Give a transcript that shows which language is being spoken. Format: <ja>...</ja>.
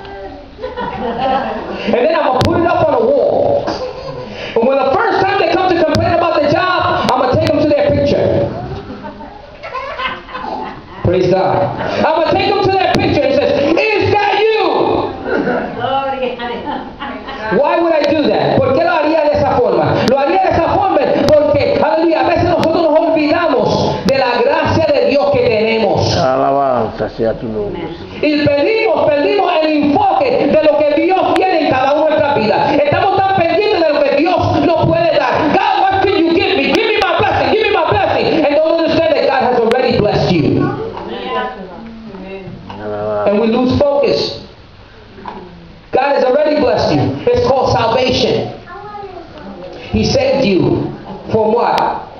<en>And then I'm gonna put it up on the wall. And when the first time they come to complain about the job, I'm gonna take them to their picture. Praise God. I'm gonna take them to their picture and says, "Is that you?" Why would I do that?</en> <es>¿Por qué lo haría de esa forma? Lo haría de esa forma porque, aleluya, a veces nosotros nos olvidamos de la gracia de Dios que tenemos. Alabanza sea tu nombre. Y perdimos el enfoque de lo que Dios tiene en cada una de nuestras vidas. Estamos tan pendientes de lo que Dios nos puede dar.</es> <en>God, what can you give me? Give me my blessing. Give me my blessing. And don't understand that God has already blessed you. And we lose focus. God has already blessed you. It's called salvation. He saved you from what?</en>